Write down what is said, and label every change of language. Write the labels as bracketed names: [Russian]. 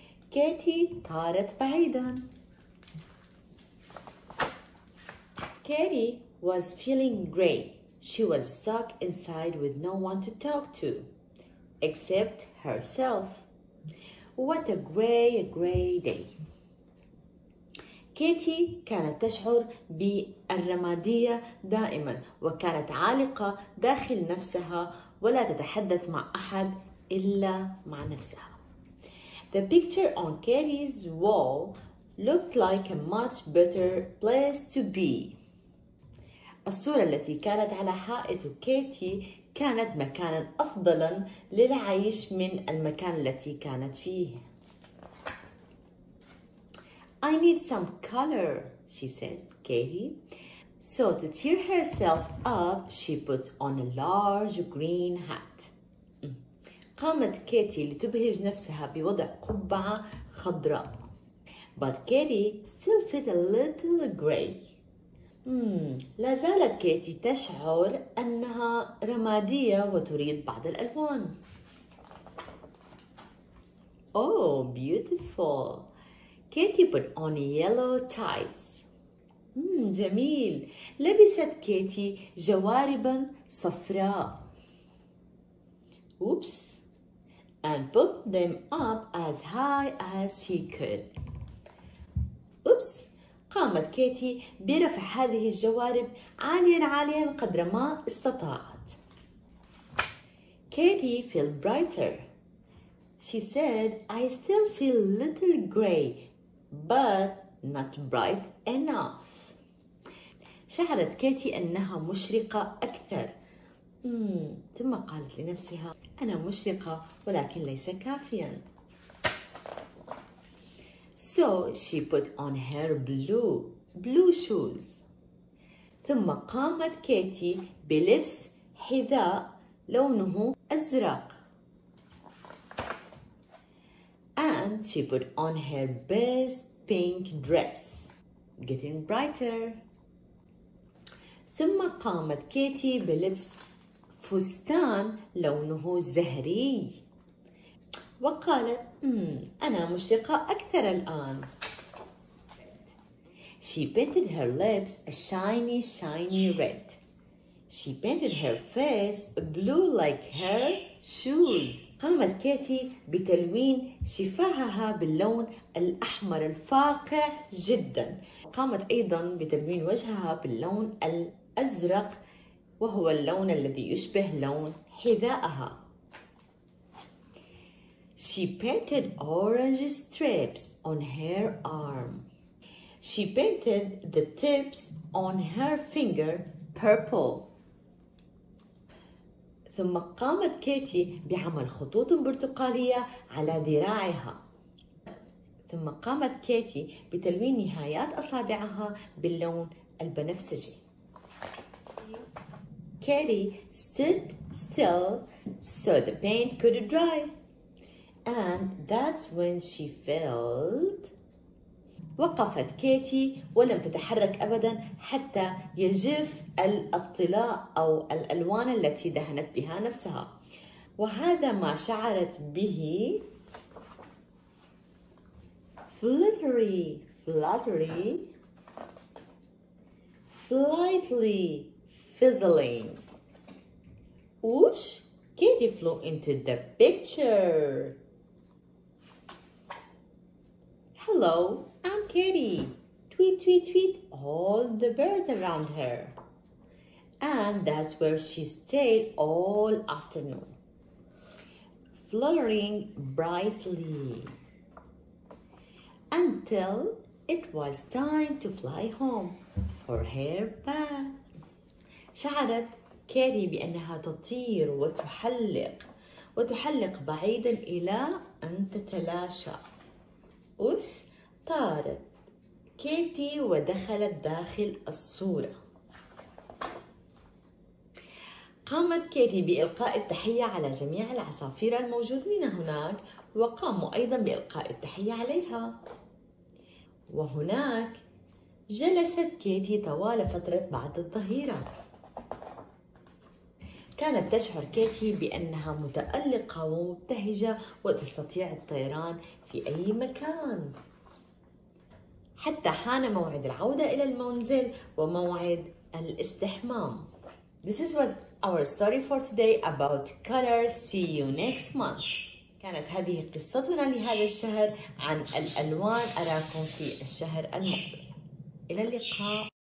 [Arabic] كاتي طارت بعيدا. [English] Katy was feeling great. She was stuck inside with no one to talk to except herself. What a gray, gray day. [Arabic] كاتي كانت تشعر بالرمادية دائما وكانت عالقة داخل نفسها ولا تتحدث مع أحد إلا مع نفسها. [English] The picture on Katie's wall looked like a much better place to be. [Arabic] الصورة التي كانت على حائط كاتي كانت مكانا أفضلا للعيش من المكان التي كانت فيه. [English] I need some color, she said, Katie. So to cheer herself up, she put on a large green hat. [Arabic] قامت كاتي لتبهج نفسها بوضع قبعة خضراء. [English] But Katie still felt a little gray. [Arabic] لا زالت كاتي تشعر أنها رمادية وتريد بعض الألوان. [English] Oh, beautiful. Katie put on yellow tights. [Arabic] جميل. لبست كاتي جواربا صفراء. [English] Oops. And put them up as high as she could. Oops. [Arabic] قامت كاتي برفع هذه الجوارب عاليا عاليا قدر ما استطاعت. [English] Katie feel brighter. She said, I still feel a little gray. But not bright enough. [Arabic] شعرت كاتي أنها مشرقة أكثر. ثم قالت لنفسها أنا مشرقة ولكن ليس كافيا. [English] So she put on her blue shoes. [Arabic] ثم قامت كاتي بلبس حذاء لونه أزرق. [English] And she put on her best pink dress, getting brighter. [Arabic] ثم قامت كاتي بلبس فستان لونه زهري وقالت أنا مشرقة أكثر الآن. [English] She painted her lips a shiny, shiny red. She painted her face blue like her shoes. [Arabic] قامت كاثي بتلوين شفاهها باللون الأحمر الفاقع جدا. قامت أيضا بتلوين وجهها باللون الأزرق وهو اللون الذي يشبه لون حذائها. [English] She painted orange stripes on her arm. She painted the tips on her finger purple. [Arabic] ثم قامت كاثي بعمل خطوط برتقالية على ذراعها. ثم قامت كاثي بتلوين نهايات أصابعها باللون البنفسجي. [English] Kathy stood still so the paint could dry. And that's when she felt. [Arabic] وقفت كاثي ولم تتحرك أبدا حتى يجف الأطلاء أو الألوان التي دهنت بها نفسها. وهذا ما شعرت به. [English] Fluttery, fluttery, slightly fizzling. Whoosh, Kitty flew into the picture. Hello, I'm Kitty. Tweet, tweet, tweet, all the birds around her. And that's where she stayed all afternoon, fluttering brightly until it was time to fly home for her bath. [Arabic] شعرت كاثي بأنها تطير وتحلق وتحلق بعيدا إلى أن تتلاشى. أوش طارت كاثي ودخلت داخل الصورة. قامت كاثي بإلقاء التحية على جميع العصافير الموجودين هناك وقاموا أيضا بإلقاء التحية عليها. وهناك جلست كاثي طوال فترة بعد الظهيرة. كانت تشعر كاثي بأنها متألقة ومبتهجة وتستطيع الطيران في أي مكان. حتى حان موعد العودة إلى المنزل وموعد الاستحمام. [English] This was our story for today about colors. See you next month. [Arabic] كانت هذه قصتنا لهذا الشهر عن الألوان. أراكم في الشهر المقبل. إلى اللقاء.